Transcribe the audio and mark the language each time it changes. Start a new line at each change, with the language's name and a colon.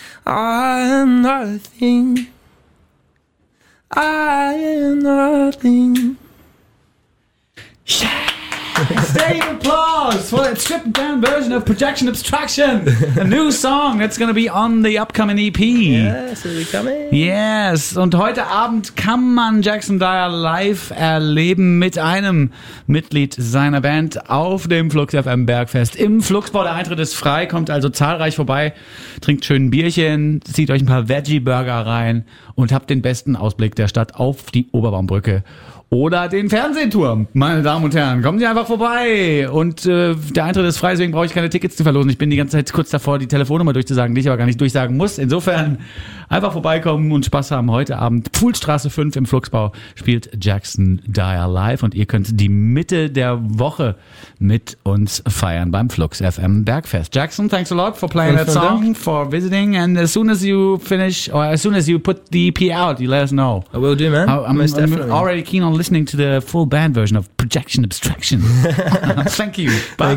English: I am nothing. I am nothing. Stay in applause for that stripped down version of Projection Abstraction, a new song that's going to be on the upcoming EP. Yes, will be coming.
German: Yes, und heute Abend kann man Jackson Dyer live erleben mit einem Mitglied seiner Band auf dem Flux FM Bergfest im Fluxbau. Der Eintritt ist frei, kommt also zahlreich vorbei, trinkt schön ein Bierchen, zieht euch ein paar Veggie-Burger rein und habt den besten Ausblick der Stadt auf die Oberbaumbrücke. Oder den Fernsehturm, meine Damen und Herren. Kommen Sie einfach vorbei. Und der Eintritt ist frei, deswegen brauche ich keine Tickets zu verlosen. Ich bin die ganze Zeit kurz davor, die Telefonnummer durchzusagen, die ich aber gar nicht durchsagen muss. Insofern einfach vorbeikommen und Spaß haben. Heute Abend, Pfuhlstraße 5 im Fluxbau, spielt Jackson Dyer live. Und ihr könnt die Mitte der Woche mit uns feiern beim Flux FM Bergfest.
English: Jackson, thanks a lot for playing that song, for visiting. And as soon as you finish, or as soon as you put the EP out, you let us know. I will do, man. I'm already keen on listening to the full band version of Projection Abstraction. Thank you. Bye.